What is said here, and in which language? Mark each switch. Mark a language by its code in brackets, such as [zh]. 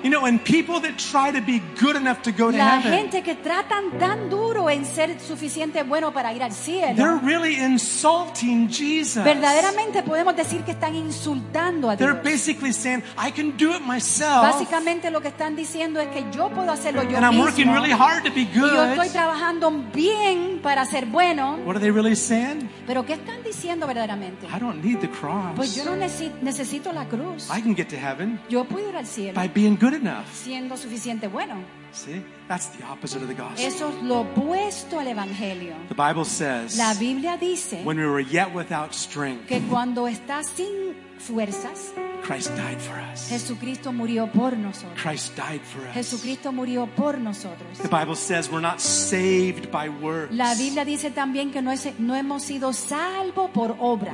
[en] You know, and people that try to be good enough to go to [es] la [en] heaven. [es] La gente que tratan tan duro en ser suficiente bueno para ir al cielo. [en] They're really insulting Jesus. [es] Verdaderamente podemos decir que están insultando a Dios. [en] They're basically saying, I can do it myself. [es] Básicamente lo que están diciendo es que yo puedo hacerlo yo mismo. [en] And I'm working really hard to be good. [es] Y yo estoy trabajando bien para ser bueno. [en] What are they really saying? [es] Pero ¿qué están diciendo verdaderamente? [en] I don't need the cross. [es] Pues yo no necesito la cruz. [en] I can get to heaven. [es] Yo puedo ir al cielo. [en] By being good enough. [es] Siendo suficiente bueno. [en] See? That's the opposite of the gospel. [es] Eso es lo opuesto al evangelio. [en] The Bible says. [es] La Biblia dice. [en] When we were yet without strength. [es] Que cuando estás sin fuerzas. [en] Christ died for us. [es] Jesucristo murió por nosotros. [en] Christ died for us. [es] Jesucristo murió por nosotros. [en] The Bible says we're not saved by works. [es] La Biblia dice también que no hemos sido salvos por obras.